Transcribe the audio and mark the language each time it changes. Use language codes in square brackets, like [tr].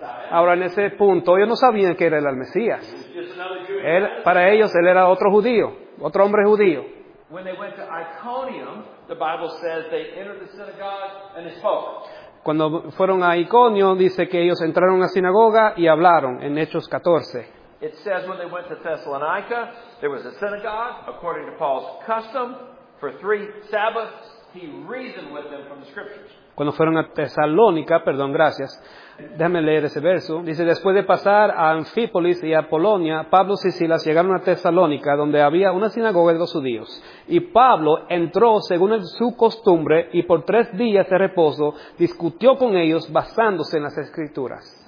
[es] Ahora, en ese punto, ellos no sabían que era el Mesías. Él, para ellos, él era otro judío, otro hombre judío. [en] When they went to Iconium, the Bible says they entered the synagogue and they spoke. [es] Cuando fueron a Iconio, dice que ellos entraron a la sinagoga y hablaron, en Hechos 14. [en] It says when they went to Thessalonica, there was a synagogue, according to Paul's custom, for 3 Sabbaths, he reasoned with them from the scriptures. [es] Cuando fueron a Tesalónica, perdón, gracias, déjame leer ese verso. Dice, después de pasar a Anfípolis y a Polonia, Pablo y Silas llegaron a Tesalónica, donde había una sinagoga de los judíos. Y Pablo entró según su costumbre y por 3 días de reposo discutió con ellos basándose en las Escrituras.